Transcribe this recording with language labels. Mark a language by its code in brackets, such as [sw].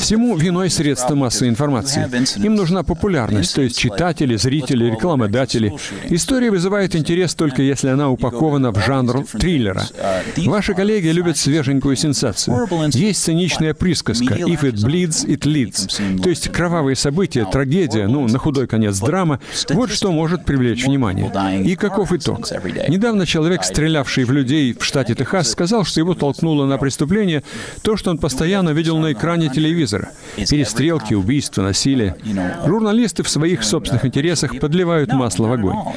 [ru] Всему виной средства массовой информации. Им нужна популярность, то есть читатели, зрители, рекламодатели. История вызывает интерес только если она упакована в жанр триллера. Ваши коллеги любят свеженькую сенсацию. Есть циничная присказка [en] «If it bleeds, it leads». [ru] То есть кровавые события, трагедия, ну, на худой конец драма, вот что может привлечь внимание. И каков итог? Недавно человек, стрелявший в людей в штате Техас, сказал, что его толкнуло на преступление то, что он постоянно видел на экране телевизора. Перестрелки, убийства, насилие. Журналисты в своих собственных интересах подливают масло в огонь.